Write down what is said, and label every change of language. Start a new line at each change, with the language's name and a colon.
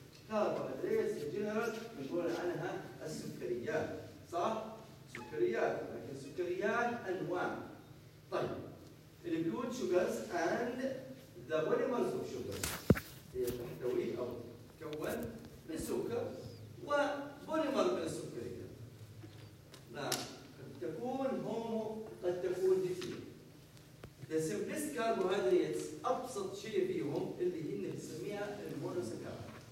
Arabic: كاربوهيدرات ان جنرال بنقول عنها السكريات، صح؟ سكريات، لكن السكريات انواع. طيب
English: include sugars and the polymers of sugars.
Arabic: هي تحتوي أو تكون بالسكر وبوليمر من السكرية. نعم، قد تكون هومو قد تكون ديفين.
English: The simplest carbohydrates
Arabic: أبسط شيء فيهم اللي هن نسميها المونوسكارات.